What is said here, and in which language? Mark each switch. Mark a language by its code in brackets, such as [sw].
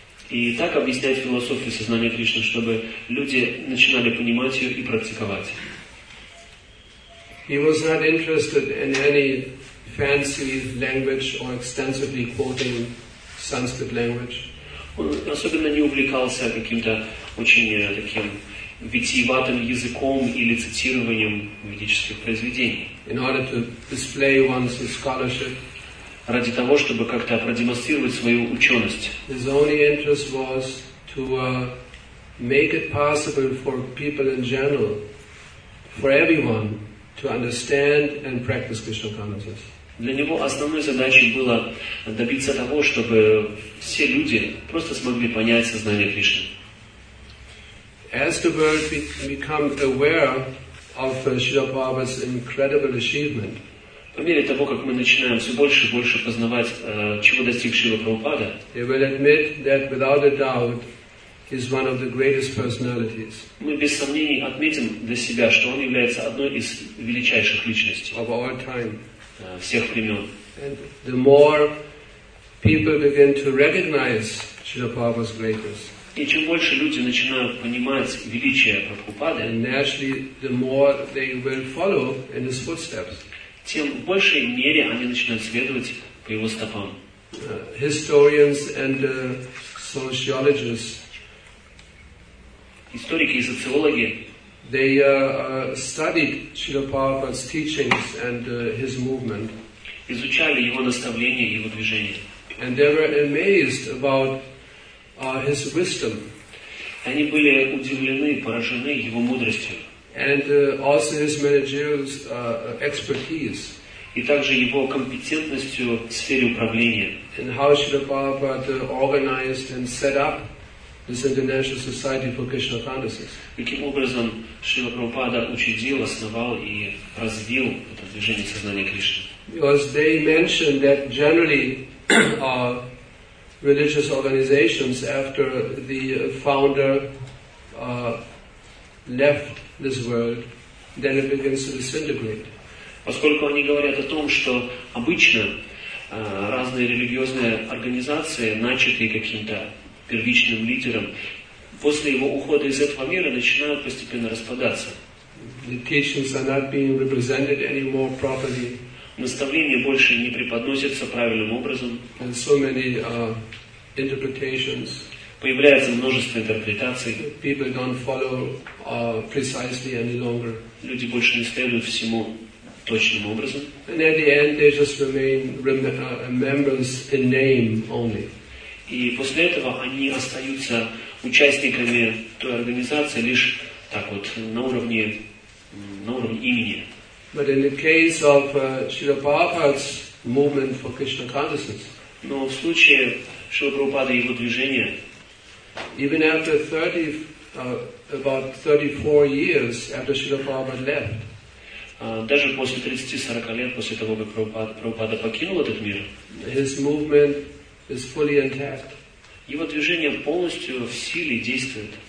[ru] И так объяснять философию сознания Кришны, чтобы люди начинали понимать ее и практиковать. [en] He was not interested in any fancy language or extensively quoting Sanskrit language. [ru] Он особенно не увлекался каким-то очень таким витиеватым языком или цитированием ведических произведений. [en] In order to display one's scholarship. [ru] Ради того, чтобы как-то продемонстрировать свою ученость. [en] His only interest was to make it possible for people in general, for everyone, to understand and practice Krishna consciousness. [ru] Для него основной задачей было добиться того, чтобы все люди просто смогли понять сознание Кришны. [en] As the world became aware of Srila Prabhupada's incredible achievement. [ru] По мере того, как мы начинаем все больше и больше познавать, чего достиг Шрила Прабхупада, [en] they will admit that without a doubt he is one of the greatest personalities. [ru] Мы без сомнений отметим для себя, что он является одной из величайших личностей [en] of all time. [ru] Всех времен. [en] And the more people begin to recognize Shrila Prabhupada's greatness. [ru] И чем больше люди начинают понимать величие Прабхупады, [en] and naturally the more they will follow in his footsteps. [ru] Тем в большей мере они начинают следовать по его стопам. [en] Historians and sociologists, [ru] историки и социологи, [en] they studied Srila Prabhupada's teachings and his movement. [ru] Изучали его наставления и его движение. [en] And they were amazed about his wisdom. [ru] Они были удивлены, поражены его мудростью. [en] And also his managerial expertise. [ru] И также его компетентностью в сфере управления. [en] And how Srila Prabhupada organized and set up this International Society for Krishna Consciousness. [ru] Каким образом Шрила Прабхупада учредил, основал и развил это движение сознания Кришны? [en] Because they mentioned that generally religious organizations after the founder left this world, then it begins to disintegrate. [ru] Поскольку они говорят о том, что обычно разные религиозные организации, начатые каким-то первичным лидером, после его ухода из этого мира начинают постепенно распадаться. [en] The teachings are not being represented anymore properly. [ru] Наставления больше не преподносятся правильным образом. [en] And so many interpretations. [ru] Появляется множество интерпретаций. [en] People don't follow precisely any longer. [ru] Люди больше не следуют всему точным образом. [en] And at the end, they just remain members in name only. [ru] И после этого они остаются участниками той организации лишь так вот на уровне имени. [en] But in the case of Srila Prabhupada's movement for Krishna consciousness, [ru] но в случае Шрила Прабхупады и его движения, [en] even after 30, about 34 years after Srila Prabhupada left, [ru] даже после 30-40 лет после того, как Прабхупада покинул этот мир, [en] his movement is fully intact. [ru] Его движение полностью в силе действует.